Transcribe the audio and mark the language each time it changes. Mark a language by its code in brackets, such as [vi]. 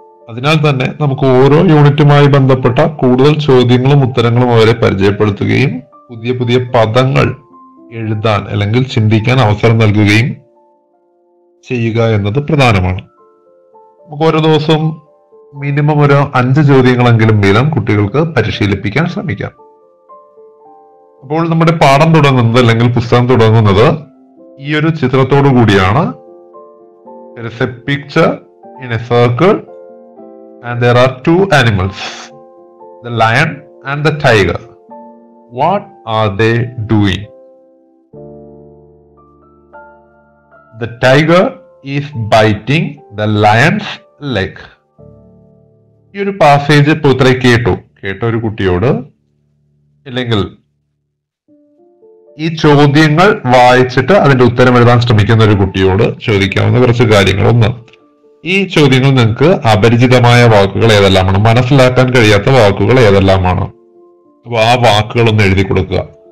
[ml] അതിനാൽ തന്നെ നമുക്ക് ഓരോ യൂണിറ്റുമായി ബന്ധപ്പെട്ട കൂടുതൽ ചോദ്യങ്ങളും ഉത്തരങ്ങളും അവരെ പരിചയപ്പെടുത്തുകയും പുതിയ പുതിയ പദങ്ങൾ എഴുതാൻ അല്ലെങ്കിൽ ചിന്തിക്കാൻ അവസരം നൽകുകയും ചെയ്യുക എന്നത് പ്രധാനമാണ്. നമുക്ക് ഓരോ ദിവസവും മിനിമം ഒരു 5 ചോദ്യങ്ങളെങ്കിലും വീതം കുട്ടികൾക്ക് പരിശീലിപ്പിക്കാൻ ശ്രമിക്കാം. അപ്പോൾ നമ്മുടെ പാഠം തുടങ്ങുന്നത് അല്ലെങ്കിൽ പുസ്തകം തുടങ്ങുന്നത് ഈ ഒരു ചിത്രത്തോടു കൂടിയാണ്. [en] There is a picture in a circle and there are two animals, the lion and the tiger. What are they doing? The tiger is biting the lion's leg. [ml] ഈ ഒരു പാസേജ് ഇപ്പോൾ ഇത്ര കേട്ടോ ഒരു കുട്ടിയോട് അല്ലെങ്കിൽ ഈ ചോദ്യങ്ങൾ വായിച്ചിട്ട് അതിന്റെ ഉത്തരം എഴുതാൻ ശ്രമിക്കുന്ന ഒരു കുട്ടിയോട് ചോദിക്കാവുന്ന കുറച്ച് കാര്യങ്ങൾ. ഒന്ന്, ഈ ചോദ്യങ്ങൾ നിങ്ങൾക്ക് അപരിചിതമായ വാക്കുകൾ ഏതെല്ലാമാണ്, മനസ്സിലാക്കാൻ കഴിയാത്ത വാക്കുകൾ ഏതെല്ലാമാണ്, അപ്പൊ ആ വാക്കുകൾ ഒന്ന് എഴുതി കൊടുക്കുക.